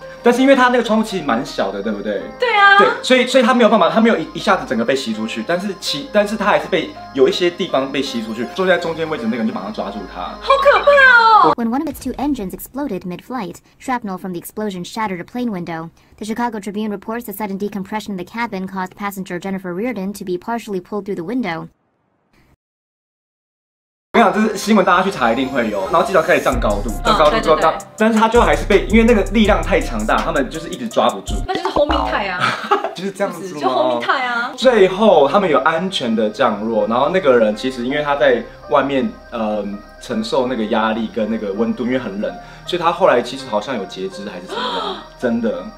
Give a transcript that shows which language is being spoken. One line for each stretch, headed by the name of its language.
Chinese: 但是因为它那个窗户其实蛮小的，对不对？对啊。对，所以它没有办法，它没有一下子整个被吸出去，但是它还是被有一些地方被吸出去。坐在中间位置那个人就马上抓住它。好可怕哦！
English: When one of its two engines exploded mid-flight, shrapnel from the explosion shattered a plane window. The Chicago Tribune reports the sudden decompression in the cabin caused passenger Jennifer Reardon to be partially pulled through the window.
Chinese: 我想这是新闻，大家去查一定会有。然后机长开始降高度，降高度之后，对对对，但是他最后还是被，因为那个力量太强大，他们就是一直抓不住。那就是轰鸣态啊，就是这样子吗？就轰鸣态啊。最后他们有安全的降落，然后那个人其实因为他在外面，承受那个压力跟那个温度，因为很冷，所以他后来其实好像有截肢还是什么，真的。